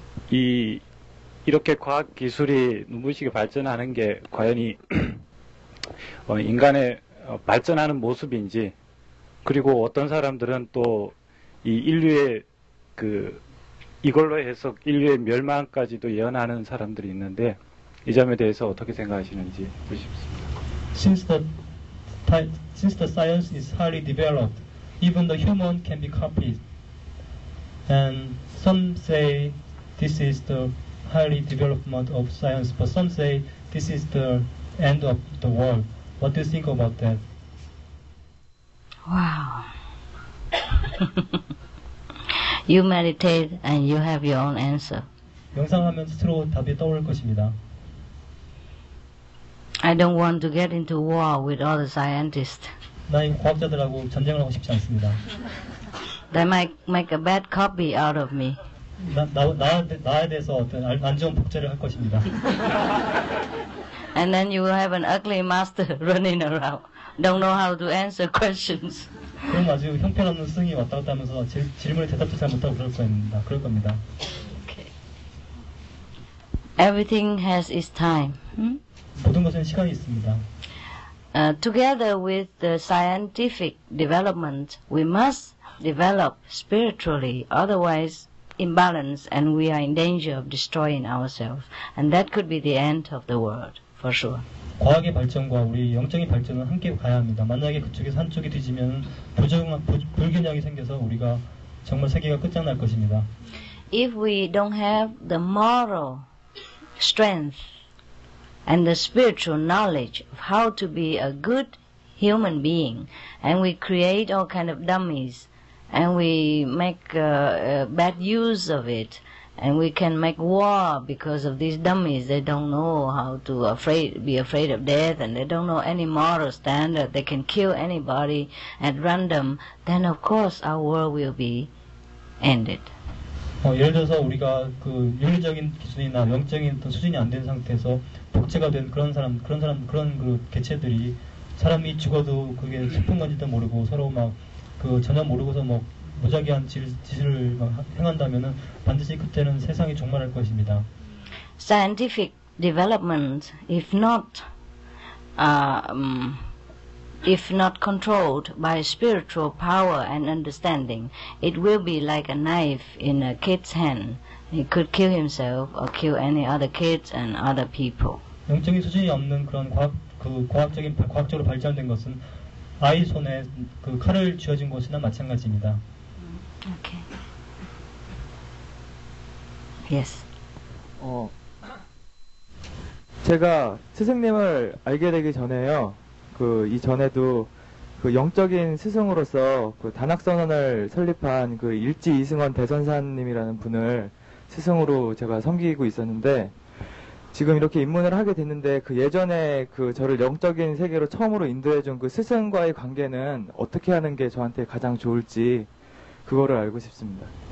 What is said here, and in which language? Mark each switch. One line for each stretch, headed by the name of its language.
Korean: 이렇게 과학 기술이 무의식이 발전하는 게 과연이 인간의 발전하는 모습인지 그리고 어떤 사람들은 또 이 인류의 그 이걸로 해서 인류의 멸망까지도 예언하는 사람들이 있는데 이 점에 대해서 어떻게 생각하시는지 보십시오.
English: Since the science is highly developed, even the human can be copied. And some say this is the highly development of science, but some say this is the end of the world. What do you think about that? Wow. You meditate and you have your own answer.
Korean: 명상하면 스스로 답이 떠오를 것입니다.
English: I don't want to get into war with other scientists.
Korean: 나는 과학자들하고 전쟁을 하고 싶지 않습니다.
English: They might make a bad copy out of me.
Korean: 나에 대해서 어떤 안 좋은 복제를 할 것입니다.
English: And then you will have an ugly master running around. Don't know how to answer questions.
Korean: 그럼 아주 형편없는 스승이 왔다 갔다 하면서 질문에 대답도 잘 못하고 그럴 겁니다.
English: Okay. Everything has its time. Hmm?
Korean: 모든 것은 시간이 있습니다.
English: Together with the scientific development, we must develop spiritually. Otherwise, imbalance, and we are in danger of destroying ourselves. And that could be the end of the world. For sure.
Korean: 과학의 발전과 우리 영적인 발전은 함께 가야 합니다. 만약에 그쪽에서 한쪽이 뒤지면 불균형이 생겨서 우리가 정말 세계가 끝장날 것입니다.
English: If we don't have the moral strength and the spiritual knowledge of how to be a good human being and we create all kind of dummies and we make bad use of it, and we can make war because of these dummies. They don't know how to be afraid of death, and they don't know any moral standard. They can kill anybody at random. Then, of course, our world will be ended.
Korean: 예를 들어서 우리가 그 윤리적인 기준이나 영적인 어떤 수준이 안 된 상태에서 복제가 된 그런 사람, 그런 그 개체들이 사람이 죽어도 그게 슬픈 건지도 모르고 서로 막 그 전혀 모르고서 뭐 무작위한 짓을 행한다면은 반드시 그때는 세상이 종말할 것입니다.
English: Scientific development, if not controlled by spiritual power and understanding, it will be like a knife in a kid's hand. He could kill himself or kill any other kids and other people.
Korean: 영적인 수준이 없는 그런 과학적으로 발전된 것은 아이 손에 그 칼을 쥐어진 것이나 마찬가지입니다.
English: Okay. Yes.
Korean: 제가 스승님을 알게 되기 전에요. 그 이전에도 그 영적인 스승으로서 그 단학선언을 설립한 그 일지 이승원 대선사님이라는 분을 스승으로 제가 섬기고 있었는데 지금 이렇게 입문을 하게 됐는데 그 예전에 그 저를 영적인 세계로 처음으로 인도해 준 그 스승과의 관계는 어떻게 하는 게 저한테 가장 좋을지 그거를 알고 싶습니다.